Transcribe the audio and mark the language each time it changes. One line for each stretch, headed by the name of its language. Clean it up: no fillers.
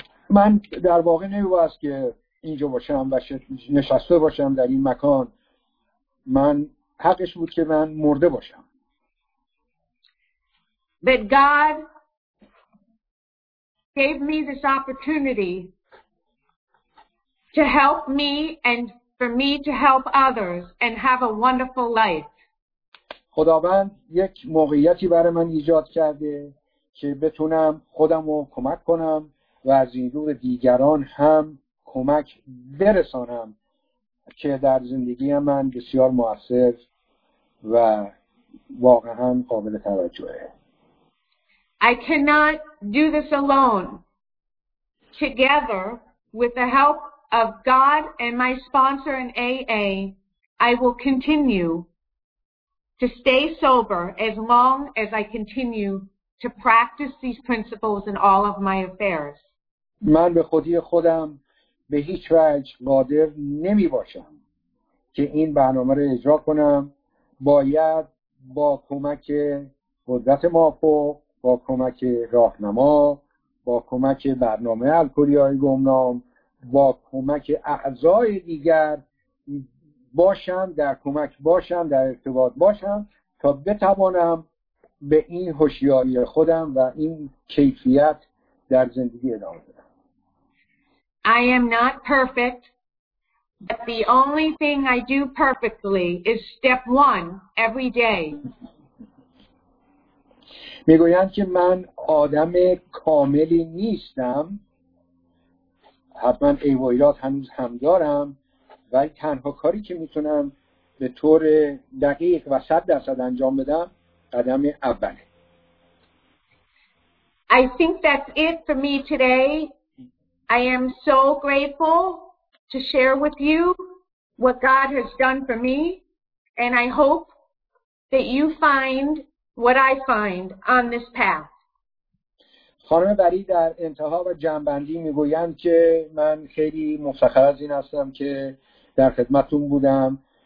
Persian: من در واقع نمی‌خواستم که اینجا باشم و نشسته باشم در این مکان. من حقش بود که من مرده باشم.
English: But God gave me this opportunity to help me and for me to help others and have a wonderful life.
Persian: خداوند یک موقعیتی برای من ایجاد کرده که بتونم خودم رو کمک کنم و از این دور دیگران هم کمک برسانم که در زندگی من بسیار مؤثر و واقعا قابل توجهه.
English: I cannot do this alone. Together with the help of God and my sponsor in AA, I will continue to stay sober as long as I continue to practice these principles in all of my affairs.
Persian: من به خودی خودم به هیچ وجه قادر نمی باشم که این برنامه رو اجرا کنم. باید با کمک قدرت مافوق، با کمک راهنما، با کمک برنامه الکلی‌های گمنام، با کمک اعضای دیگر باشم، در کمک باشم، در ارتباط باشم تا بتوانم به این هوشیاری خودم و این کیفیت در زندگی ادامه بدم.
English: I am not perfect, but the only thing I do perfectly is step one every day.
Persian: میگویند که من آدم کاملی نیستم. حتما ایوایلات هنوز هم دارم و تنها کاری که میتونم به طور دقیق و 100% انجام بدم قدم اوله.
English: I think that's it for me today. I am so grateful to share with you what God has done for me, and I hope that you find what I find on this path.
Persian: خانم بری در انتها و جمع‌بندی میگویند که من خیلی مفتخر از این هستم که در خدمتتون بودم.